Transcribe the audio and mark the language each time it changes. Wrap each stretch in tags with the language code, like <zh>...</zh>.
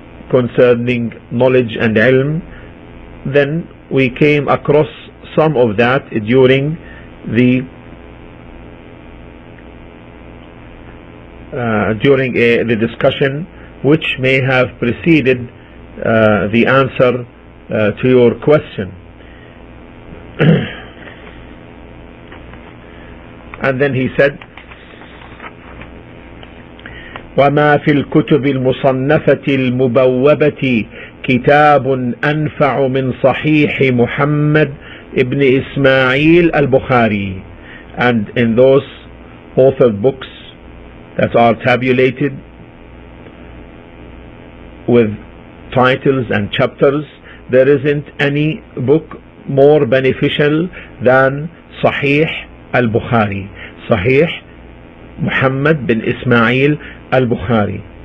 <en>concerning knowledge and ilm, then we came across some of that during the discussion which may have preceded the answer to your question. And then he said,</en> <ar>وما في الكتب المصنفة المبوبة كتاب أنفع من صحيح محمد Ibn Ismail al-Bukhari.</ar> <en>And in those authored books that are tabulated with titles and chapters, there isn't any book more beneficial than Sahih al-Bukhari, Sahih Muhammad bin Ismail al-Bukhari.</en>